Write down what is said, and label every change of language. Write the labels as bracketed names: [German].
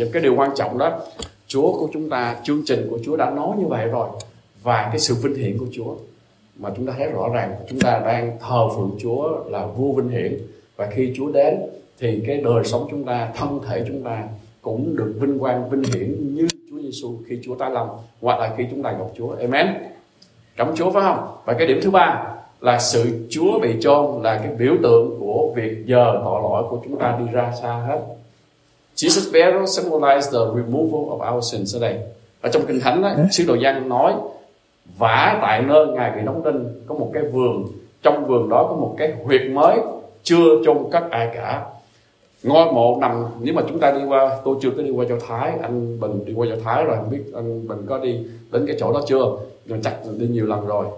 [Vietnamese] Cái điều quan trọng đó, Chúa của chúng ta, chương trình của Chúa đã nói như vậy rồi, và cái sự vinh hiển của Chúa mà chúng ta thấy rõ ràng, chúng ta đang thờ phượng Chúa là vua vinh hiển, và khi Chúa đến thì cái đời sống chúng ta, thân thể chúng ta cũng được vinh quang vinh hiển như Chúa Giêsu khi Chúa tái lâm, hoặc là khi chúng ta gặp Chúa. Amen. Cảm ơn Chúa, phải không? Và cái điểm thứ ba là sự Chúa bị chôn là cái biểu tượng của việc giờ tội lỗi của chúng ta đi ra xa hết. [English] Jesus burial symbolizes the removal of our sins. [Vietnamese] Ở đây, ở trong Kinh Thánh ấy, Sứ Đồ Giăng nói: vả tại nơi Ngài bị đóng đinh có một cái vườn, trong vườn đó có một cái huyệt mới chưa chôn cất ai cả. Ngôi mộ nằm, nếu mà chúng ta đi qua, tôi chưa có đi qua Giáo Thái, anh Bình đi qua Giáo Thái rồi, không biết anh Bình có đi đến cái chỗ đó chưa, nhưng chắc đi nhiều lần rồi.